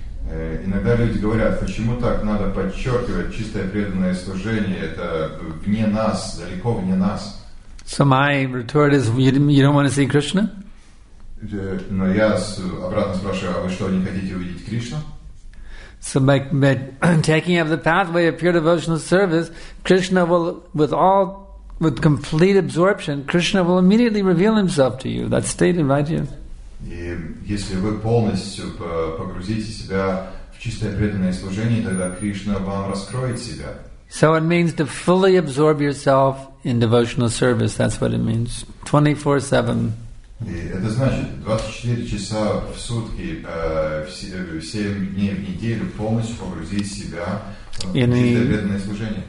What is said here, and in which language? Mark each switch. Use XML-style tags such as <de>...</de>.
<ru>Иногда люди говорят, почему так надо подчеркивать чистое преданное служение? Это вне нас, далеко вне нас.</ru> <en>So my retort is, you don't want to see Krishna?</en> <ru>Но я обратно спрашиваю, а вы что, не хотите увидеть Кришну?</ru> <en>So by taking up the pathway of pure devotional service, Krishna will, with complete absorption, Krishna will immediately reveal himself to you. That's stated right here.</en> <ru>И если вы полностью погрузите себя в чистое преданное служение, тогда Кришна вам раскроет себя.</ru> <en>So it means to fully absorb yourself in devotional service. That's what it means. 24/7.</en> <ru>И это значит 24 часа в сутки, 7 дней в неделю полностью погрузить себя в чистое преданное служение.</ru>